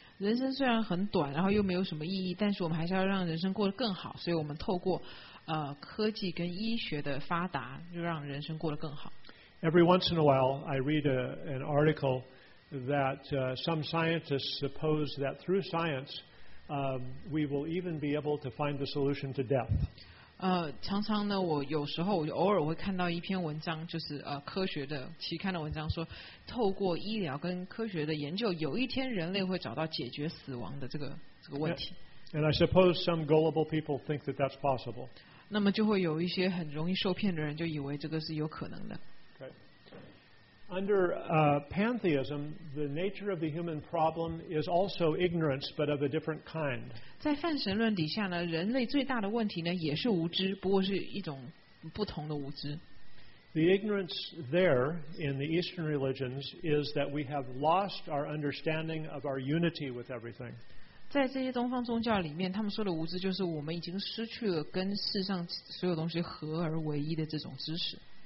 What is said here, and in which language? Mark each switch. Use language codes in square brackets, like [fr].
[zh] 人生虽然很短，然后又没有什么意义，但是我们还是要让人生过得更好，所以我们透过科技跟医学的发达，就让人生过得更好。 [en] Every once in a while, I read an article that some scientists suppose that through science, we will even be able to find the solution to death. [zh] 常常呢，我有时候我偶尔会看到一篇文章，就是科学的期刊的文章说，透过医疗跟科学的研究，有一天人类会找到解决死亡的这个问题。 [en] And I suppose some gullible people think that that's possible. [zh] 那么就会有一些很容易受骗的人就以为这个是有可能的。 [en] Under pantheism, the nature of the human problem is also ignorance, but of a different kind. [zh] 在泛神论底下呢，人类最大的问题呢也是无知，不过是一种不同的无知。 [en] The ignorance there in the Eastern religions is that we have lost our understanding of our unity with everything. [zh] 在这些东方宗教里面，他们说的无知就是我们已经失去了跟世上所有东西合而为一的这种知识。